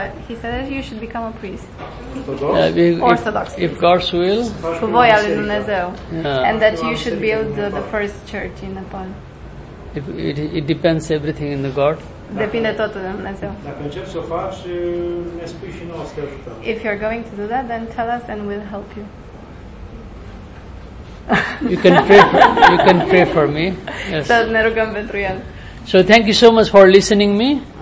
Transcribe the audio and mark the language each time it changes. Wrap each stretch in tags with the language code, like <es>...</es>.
<en>He said that you should become a priest. Orthodox. If God's will.</en> <ro>Cu voia lui Dumnezeu.</ro> <en>And that you should build the first church in Nepal. It depends everything in the God.</en> <ro>Depinde totul de Dumnezeu. Dacă încerci să o faci, ne spui și nouă să te ajutăm.</ro> <en>If you're going to do that, then tell us and we'll help you. You can pray for me. Yes.</en> <ro>Să ne rugăm pentru el.</ro> <en>So thank you so much for listening me.</en>